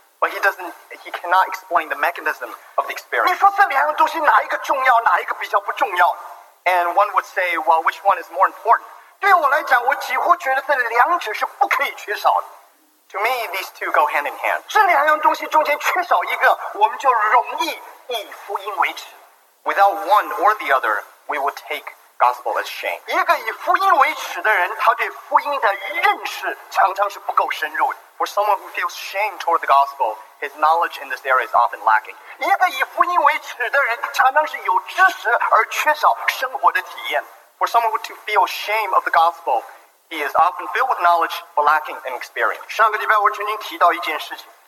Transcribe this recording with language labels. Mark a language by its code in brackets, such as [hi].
[en] But he cannot explain the mechanism of the experience. [zh] 你说这两样东西哪一个重要，哪一个比较不重要？ [en] And one would say, well, which one is more important? [zh] 对我来讲，我几乎觉得这两者是不可以缺少的。 [en] To me, these two go hand in hand. [zh] 这两样东西中间缺少一个，我们就容易以福音为耻。 [en] Without one or the other, we would take gospel as shame. [zh] 一个以福音为耻的人，他对福音的认识常常是不够深入的。 [en] For someone who feels shame toward the gospel, his knowledge in this area is often lacking. [zh] 一个以福音为耻的人，常常是有知识而缺少生活的体验。 [en] For someone who feels shame of the gospel, he is often filled with knowledge but lacking in experience. [zh] 上个礼拜我曾经提到一件事情。